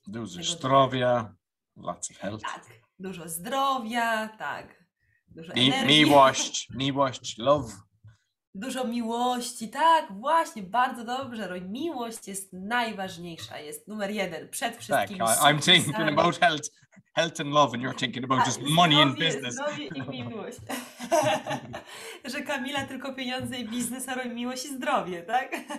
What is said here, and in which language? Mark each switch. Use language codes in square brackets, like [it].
[pl] Dużo zdrowia, lots of health. Tak, dużo zdrowia, tak. Dużo energii. Miłość, miłość, love. Dużo miłości, tak, właśnie, bardzo dobrze. Miłość jest najważniejsza, jest numer jeden, przed wszystkim. [en] Tak, I'm thinking about health. Health and love, and you're thinking about just money and business. [pl] Zdrowie i miłość. Że Kamila tylko pieniądze i biznes, a Roy miłość i zdrowie, tak?